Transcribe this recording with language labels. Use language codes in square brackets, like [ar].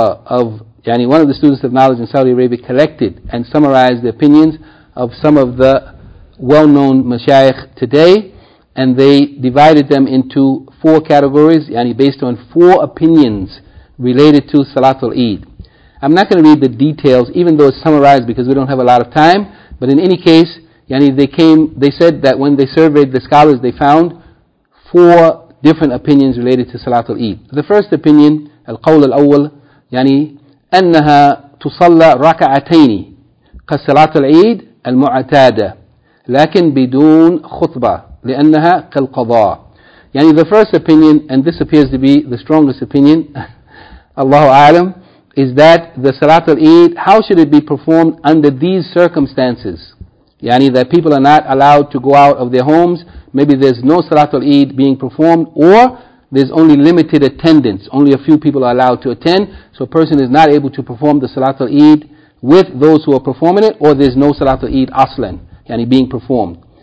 [en] One of the students of knowledge in Saudi Arabia collected and summarized the opinions of some of the well-known mashayikh today, and they divided them into four categories, based on four opinions related to Salatul Eid. I'm not going to read the details, even though it's summarized, because we don't have a lot of time, but in any case, they said that when they surveyed the scholars, they found four different opinions related to Salatul Eid. The first opinion, [ar] Al-Qawl Al-Awwal, أنها تصلى ركعتين كصلاة العيد المعتادة لكن بدون خطبة لأنها كالقضاء. [en] The first opinion, and this appears to be the strongest opinion, Allahu A'lam, is that the Salatul Eid, how should it be performed under these circumstances? That people are not allowed to go out of their homes, maybe there's no Salatul Eid being performed, or there's only limited attendance, only a few people are allowed to attend, so a person is not able to perform the Salatul Eid with those who are performing it, or there's no Salatul Eid aslan, being performed.